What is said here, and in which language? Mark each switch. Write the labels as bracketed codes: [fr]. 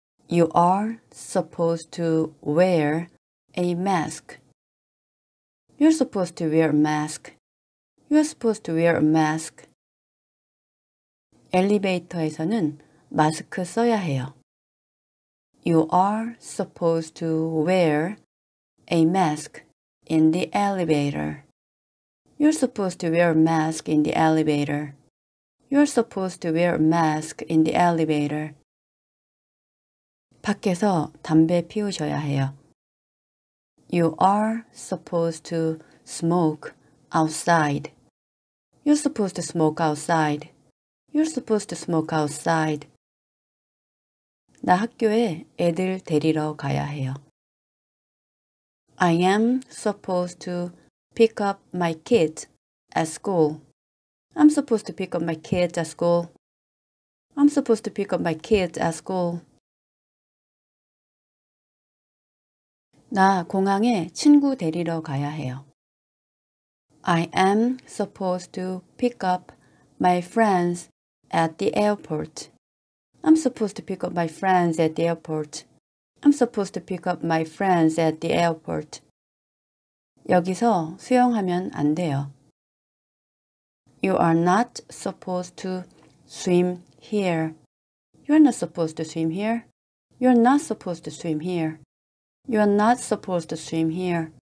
[en] You are supposed to wear a mask. You're supposed to wear a mask. You're supposed to wear a mask. [ko] 엘리베이터에서는 마스크 써야 해요. [en] You are supposed to wear a mask in the elevator. You're supposed to wear a mask in the elevator. You're supposed to wear a mask in the elevator. [ko] 밖에서 담배 피우셔야 해요. [en] You are supposed to smoke outside. You're supposed to smoke outside. You're supposed to smoke outside. [ko] 나 학교에 애들 데리러 가야 해요. [en] I am supposed to pick up my kids at school. I'm supposed to pick up my kids at school. I'm supposed to pick up my kids at school. [ko] 나 공항에 친구 데리러 가야 해요. [en] I am supposed to pick up my friends at the airport. I'm supposed to pick up my friends at the airport. I'm supposed to pick up my friends at the airport. [ko] 여기서 수영하면 안 돼요. [en] You are not supposed to swim here. You're not supposed to swim here. You're not supposed to swim here. You're not supposed to swim here.